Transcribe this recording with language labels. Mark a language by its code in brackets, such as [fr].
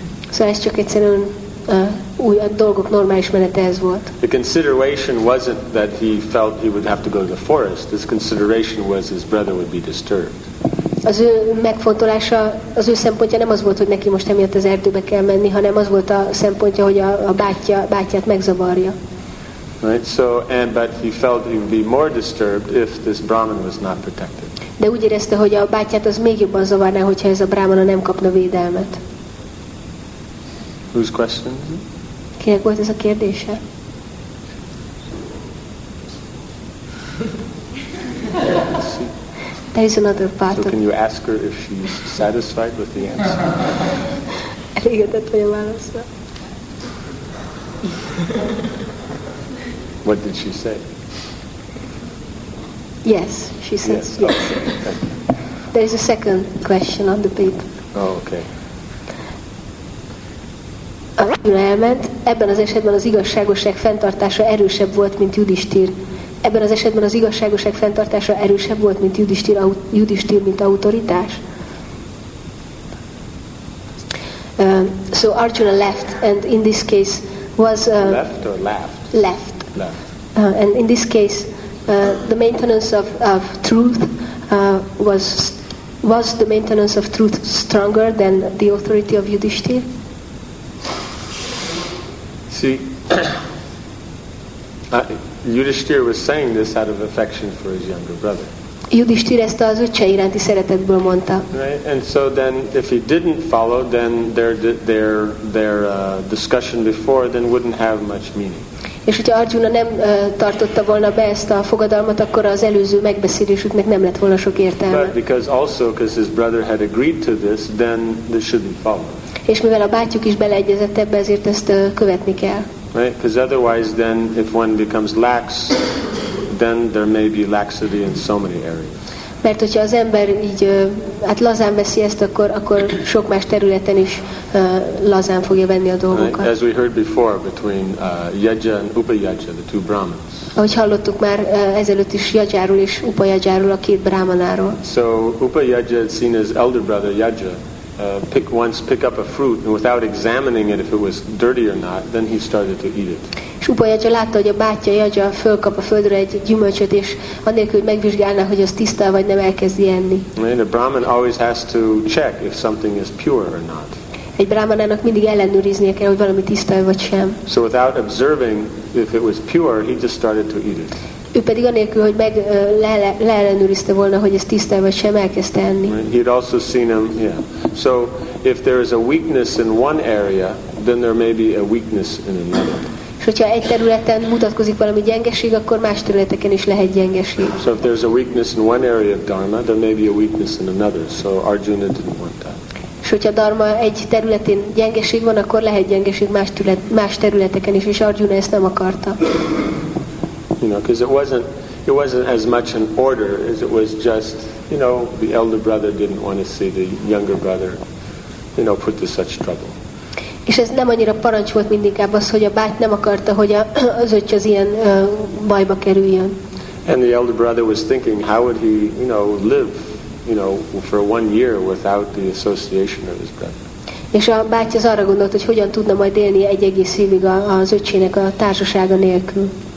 [hu] Szóval ez csak egyszerűen új a dolgok normális menete ez volt. [en] The consideration wasn't that he felt he would have to go to the forest. His consideration was his brother would be disturbed. [hu] Az ő megfontolása, az ő szempontja nem az volt, hogy neki most emiatt az erdőbe kell menni, hanem az volt a szempontja, hogy a bátyját megzavarja. [en] Right, so and but he felt he would be more disturbed if this Brahmin was not protected. [hu] De úgy érezte, hogy a bátyját az még jobban zavarná, hogyha ez a brámana nem kapna védelmet. [en] Whose question is it? [hu] Kinek volt ez a kérdése? [en] There is another part. So can you ask her if she's satisfied with the answer? [hu] Elégedett vagy a válaszra. [en] What did she say? Yes, she says yes. Yes. Okay. There is a second question on the paper. Oh, okay. [hu] Arjuna elment, ebben az esetben az igazságosság fenntartása erősebb volt, mint Yudhisthir. Ebben az esetben az igazságosság fenntartása erősebb volt, mint Yudhisthir, mint autoritás. [en] So Arjuna left, and in this case was... left or laughed? Left. Left. And in this case, the maintenance of truth was the maintenance of truth stronger than the authority of Yudhisthir? See, Yudhisthir was saying this out of affection for his younger brother. [hu] Yudhisthir ezt az öccse iránti szeretetből mondta. [en] Right, and so then, if he didn't follow, then their discussion before then wouldn't have much meaning. [hu] És hogyha Arjuna nem tartotta volna be ezt a fogadalmat, akkor az előző megbeszélésüknek nem lett volna sok értelme. [en] But because his brother had agreed to this, then this should be followed. [hu] És mivel a bátyjuk is beleegyezett ebbe, ezért ezt követni kell. [en] Right, because otherwise then if one becomes lax, then there may be laxity in so many areas. [hu] Mert hogyha az ember így hát lazán veszi ezt, akkor sok más területen is lazán fogja venni a dolgokat. [en] Right, as we heard before between Yajja and Upayajja, the two Brahmins. [hu] Ahogy hallottuk már ezelőtt is Yajjáról és Upayajjáról, a két brahmanáról. [en] So Upayajja had seen his elder brother Yajja pick up a fruit and without examining it if it was dirty or not, then he started to eat it. [hu] És Upayajja látta, hogy a bátyja Yajja fölkap a földre egy gyümölcsöt, és anélkül, hogy megvizsgálná, hogy az tiszta vagy nem, elkezdi enni. [en] Right, a Brahman always has to check if something is pure or not. [hu] Egy brahmanának mindig ellenőriznie kell, hogy valami tiszta vagy sem. [en] So without observing if it was pure, he just started to eat it. [hu] Ő pedig anélkül, hogy meg leellenőrizte volna, hogy ez tiszta vagy sem, elkezdte enni. [en] He had also seen him, yeah. So if there is a weakness in one area, then there may be a weakness in another. [hu] És hogyha egy területen mutatkozik valami gyengeség, akkor más területeken is lehet gyengeség. [en] So if there's a weakness in one area of dharma, there may be a weakness in another. So Arjuna didn't want that. [hu] És hogyha dharma egy területén gyengeség van, akkor lehet gyengeség más területeken is, és Arjuna ezt nem akarta. [en] You know, because it wasn't as much an order as it was just, you know, the elder brother didn't want to see the younger brother, you know, put to such trouble. [hu] És ez nem annyira parancs volt, mint inkább az, hogy a báty nem akarta, hogy az öccs az ilyen bajba kerüljön. [en] And the elder brother was thinking, how would he, you know, live, you know, for one year without the association of his brother? [hu] És a báty az arra gondolt, hogy hogyan tudna majd élni egy egész évig az öccsének a társasága nélkül.